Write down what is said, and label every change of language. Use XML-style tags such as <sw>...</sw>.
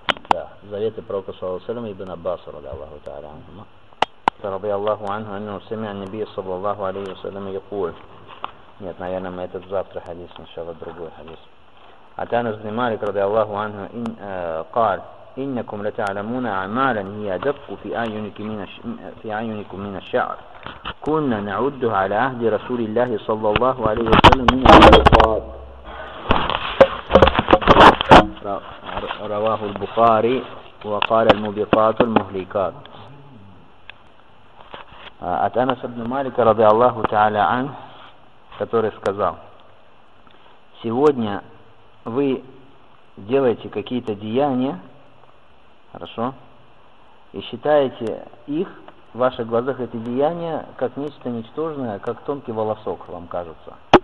<ru>Да, заветы пророка саллаллаху алейхи ва саллям ибн Аббаса радиаллаху тааля анхума.</ru> <ar>رضي الله عنه أنه سمع النبي صلى الله عليه وسلم يقول</ar> <ru>нет, наверное, мы этот завтра</ru> <ar>حديث إن شاء الله</ar> <ru>другой</ru> <ar>حديث. عن أنس بن مالك رضي الله عنه إن قال إنكم لتعلمون أعمالا هي أدق في أعينكم من الشعر كنا نعدها على عهد رسول الله صلى الله عليه وسلم من الصدقات. رواه البخاري وقال المبيقات المهلكات.</ar> <ru>От Анаса ибн Малика, ради Аллаху Та'аля Ан, который сказал, сегодня вы делаете какие-то деяния, хорошо, и считаете их, в ваших глазах эти деяния, как нечто ничтожное, как тонкий волосок вам кажется.</ru>